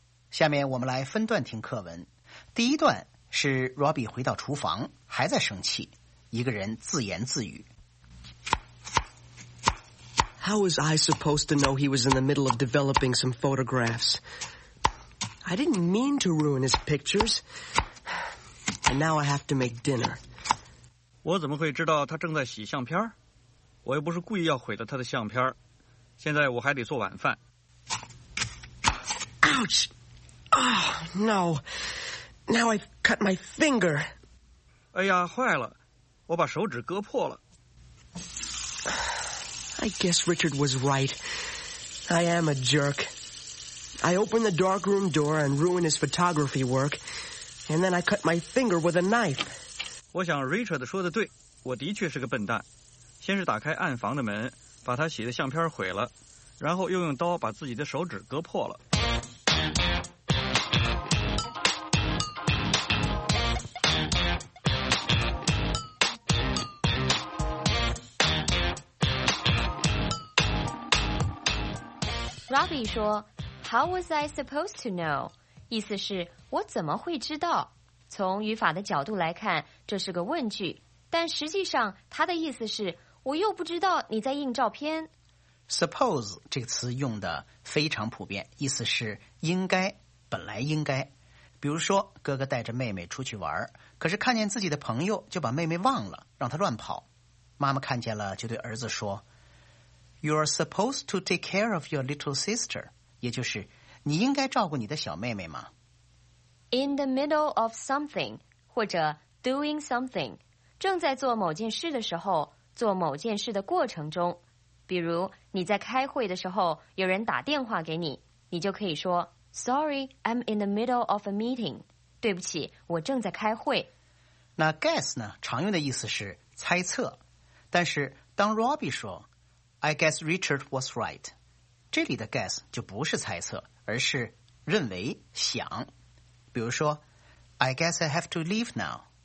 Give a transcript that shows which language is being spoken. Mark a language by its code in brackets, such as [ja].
[zh] 下面我们来分段听课文。第一段是 Robbie 回到厨房还在生气，一个人自言自语。 [en] How was I supposed to know he was in the middle of developing some photographs? I didn't mean to ruin his pictures. And now I have to make dinner. [zh] 我怎么会知道他正在洗相片？我又不是故意要毁了他的相片。现在我还得做晚饭。 [en] Ouch! Oh, no. Now I've cut my finger. [zh] 哎呀，坏了。我把手指割破了。 [en] I guess Richard was right. I am a jerk. I opened the darkroom door and ruined his photography work. And then I cut my finger with a knife. [zh] 我想 Richard 说的对，我的确是个笨蛋。先是打开暗房的门，把他洗的相片毁了，然后又用刀把自己的手指割破了。 [en] Robbie [zh] 说 [en] How was I supposed to know? [zh] 意思是我怎么会知道？从语法的角度来看，这是个问句，但实际上它的意思是我又不知道你在印照片。 Suppose 这个词用的非常普遍，意思是应该，本来应该。比如说哥哥带着妹妹出去玩，可是看见自己的朋友就把妹妹忘了，让她乱跑。妈妈看见了就对儿子说 [en] You're supposed to take care of your little sister. [zh] 也就是你应该照顾你的小妹妹吗？ [en] In the middle of something, [zh] 或者 [en] doing something, [zh] 正在做某件事的时候，做某件事的过程中。比如你在开会的时候，有人打电话给你，你就可以说 [en] Sorry, I'm in the middle of a meeting. [zh] 对不起，我正在开会。那 guess 呢，常用的意思是猜测。但是当 [en] Robbie 说I guess Richard was right. [zh] 这里的 guess 就不是猜测，而是认为、想。比如说 [en] ，I guess I have to leave now.